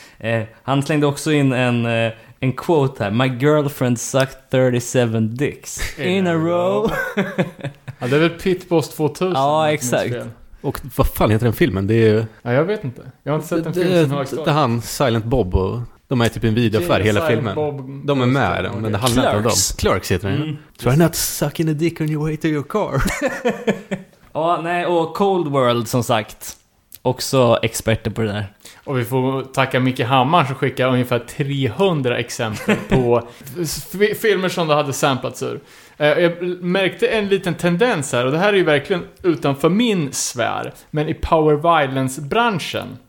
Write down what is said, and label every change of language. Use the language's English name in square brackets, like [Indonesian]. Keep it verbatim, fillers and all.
[Swedish] Eh, han slängde också in en, eh, en quote här. [English] My girlfriend sucked thirty-seven dicks in a row. [Swedish] Ja, det är väl Pitboss two thousand. Ja, exakt. Och vad fan heter den filmen? Det är ju... ja, jag vet inte. Jag har inte sett en film som har extra. Det är han, Silent Bob och... de är typ en video för hela filmen. Bob, de är med i den, men det handlar inte om dem. Clerks heter den. Mm. [English] Try not sucking a dick on your way to your car. [Swedish] Ja, nej, och Cold World som sagt. Också experter på det där. Och vi får tacka Micke Hammar som skickar ungefär tre hundra exempel på f- filmer som du hade samplats ur. Jag märkte en liten tendens här, och det här är ju verkligen utanför min sfär, men i power violence-branschen.